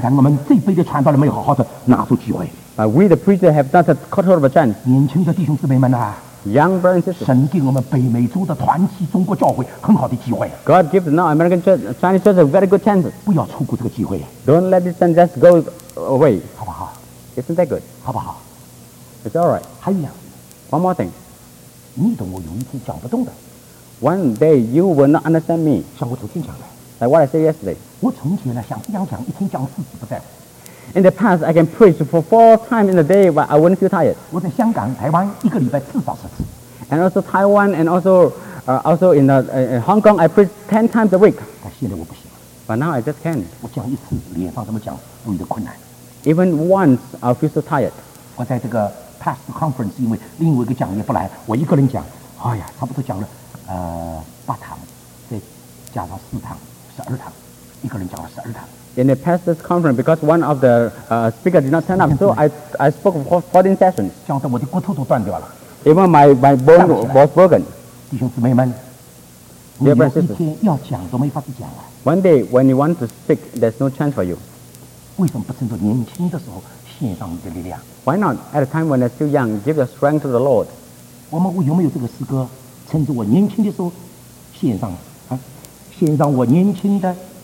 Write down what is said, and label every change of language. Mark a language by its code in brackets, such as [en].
[zh] 但我们这辈的传道人没有好好的拿出机会。 [en] We the preacher have not caught hold of a chance. [zh] 年轻的弟兄姊妹们啊。 [en] Young brothers and sisters. [zh] 神给我们北美洲的团契中国教会很好的机会。 [en] God gives now American church, Chinese church a very good chance. [zh] 不要错过这个机会。 [en] Don't let this chance just go away. [zh] 好不好 [en] ？Isn't that good? [zh] 好不好 [en] ？It's all right. [zh] 还有两。 [en] One more thing. [zh] 你懂我有一天讲不动的。 [en] One day you will not understand me. [zh] 像我昨天讲的。 [en] Like what I said yesterday. [zh] 我从前呢想这样讲，一天讲四次不在乎。 [en] In the past, I can preach for 4 times in a day, but I wouldn't feel tired. [zh] 我在香港、台湾一个礼拜至少10次。 [en] And also Taiwan, and also, in Hong Kong, I preach 10 times a week. [zh] 但现在我不行。 [en] But now I just can't. [zh] 我讲一次，脸上怎么讲都有点困难。 [en] Even once, I feel so tired. [zh] 我在这个 [en] past conference, [zh] 因为另外一个讲也不来，我一个人讲，哎呀，差不多讲了8堂，再加上4堂，12堂，一个人讲了12堂。 [en] In the pastor's conference, because one of the speakers did not turn up, so I spoke for 14 sessions. [zh] 像我的骨头都断掉了。 [en] Even my bone was broken. [zh] 弟兄姊妹们，你有一天要讲都没法子讲了。 [en] One day when you want to speak, there's no chance for you. [zh] 为什么不趁着年轻的时候献上你的力量 [en] ？Why not at a time when you're still young, give your strength to the Lord? [zh] 我们有没有这个诗歌，趁着我年轻的时候献上啊，献上我年轻的？